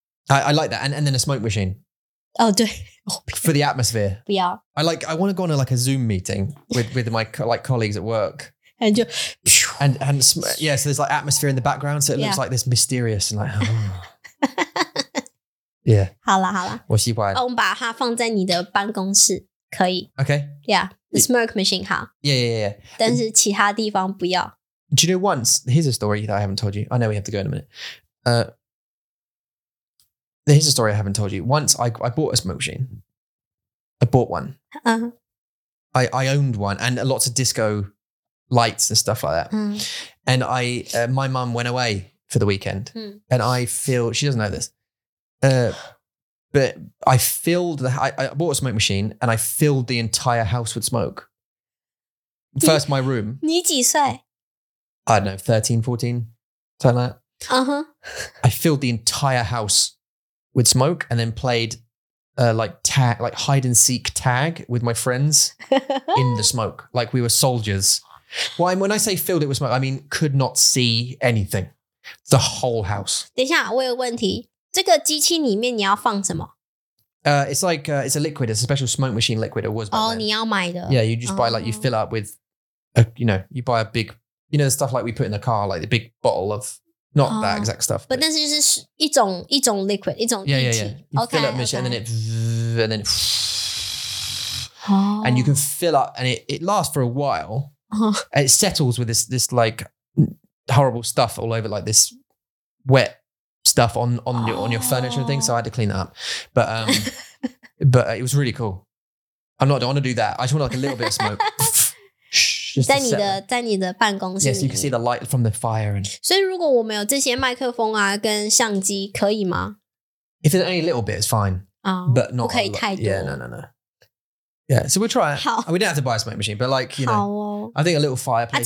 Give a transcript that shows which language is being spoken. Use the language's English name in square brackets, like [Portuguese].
[English] I like that. And then a smoke machine. [Chinese] Oh, 对。 [English] For the atmosphere. Yeah. I want to go on a, like a Zoom meeting with my like colleagues at work. And you and yeah, so there's like atmosphere in the background, so it looks like this mysterious and like oh. Yeah. [Chinese] 好啦好啦。我喜欢。我们把它放在你的办公室可以。 [English] Okay. Yeah. The smoke machine [Chinese] 好。 [English] Yeah. [Chinese] 但是其他地方不要。 [English] Do you know once? Here's a story that I haven't told you. I know we have to go in a minute. Here's a story I haven't told you. Once I bought a smoke machine. I bought one. Uh-huh. I owned one and lots of disco lights and stuff like that. Mm. And I my mum went away for the weekend. Mm. And I feel, she doesn't know this. But I filled, I bought a smoke machine and I filled the entire house with smoke. First, my room. [Chinese] 你几岁? [English] I don't know, 13, 14, something like that. Uh-huh. I filled the entire house. With smoke and then played like hide and seek tag with my friends in the smoke. Like we were soldiers. Well, when I say filled it with smoke, I mean could not see anything. The whole house. [Chinese] 等一下，我有问题。这个机器里面你要放什么？ [English] It's like, it's a liquid. It's a special smoke machine liquid. It was back then. [Chinese] 你要买的。 [English] Yeah, you just buy, like, you fill up with, you know, you buy a big, you know, the stuff like we put in the car, like the big bottle of, not that exact stuff. But this is just [Chinese] 一种 [English] liquid, [Chinese] 一种液体。 [English] Yeah, yeah, yeah. You fill up machine, and then it, and you can fill up, and it lasts for a while. It settles with this like, horrible stuff all over, like this wet, stuff on your furniture and things, so I had to clean that up. But but it was really cool. I'm not, I don't want to do that. I just want like a little bit of smoke. Yes, you can see the light from the fire. [Chinese] So如果我没有这些麦克风啊跟相机，可以吗？ [English] If it's only a little bit, it's fine. But not a lot. Yeah, no. Yeah, so we'll try it. We don't have to buy a smoke machine, but like, you know, I think a little fireplace